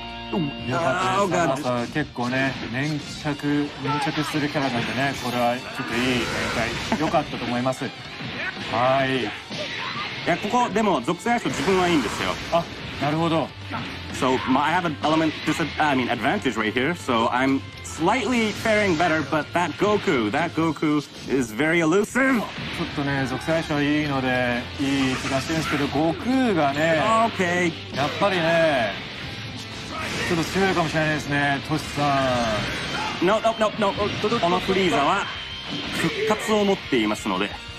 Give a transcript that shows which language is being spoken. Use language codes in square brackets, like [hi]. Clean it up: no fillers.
[en] Oh, God. [ja] 結構ね、粘着するキャラなんでね、これはちょっといい展開、良かったと思います。はい。いや、ここ、でも属性相性自分はいいんですよ。あ、なるほど。 [en] So, I have an element advantage right here, so I'm... Slightly faring better, but that Goku is very elusive. [ja] ちょっとね、属性相性いいのでいい気がしてるんですけど、悟空がね、 [en] okay. [ja] やっぱりね、ちょっと強いかもしれないですね、トシさん。 [en] No. [ja] このフリーザは復活を持っていますので。